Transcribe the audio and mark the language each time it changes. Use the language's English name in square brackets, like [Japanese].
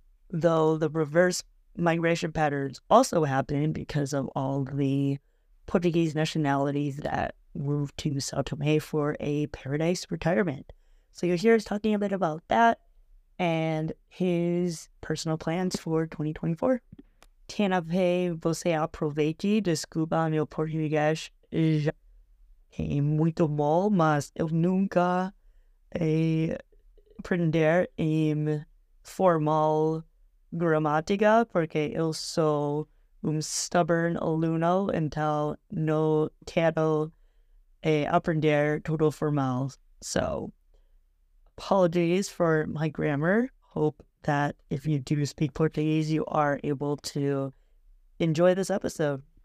[English] Though the reverse migration patterns also happened because of all the Portuguese nationalities that moved to São Tomé for a paradise retirement. So you'll hear us talking a bit about that and his personal plans for 2024. [Portuguese] Tenha você aproveite, desculpa meu português. É muito bom, mas eu nunca aprender em formal gramática, porque eu sou stubborn aluno, então não quero aprender tudo formal. [English] So, apologies for my grammar. Hope that if you do speak Portuguese, you are able to enjoy this episode.